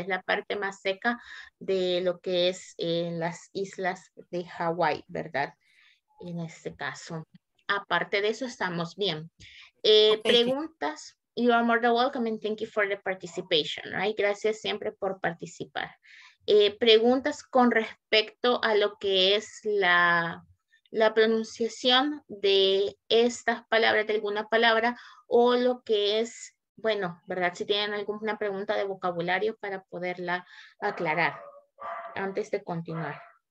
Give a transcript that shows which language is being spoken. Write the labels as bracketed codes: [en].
[es] Es la parte más seca de lo que es las islas de Hawái, ¿verdad? En este caso. Aparte de eso, estamos bien. Okay. [en] Preguntas, you are more than welcome and thank you for the participation, right? [es] Gracias siempre por participar. Preguntas con respecto a lo que es la... la pronunciación de estas palabras, de alguna palabra, o lo que es, bueno, ¿verdad? Si tienen alguna pregunta de vocabulario para poderla aclarar antes de continuar.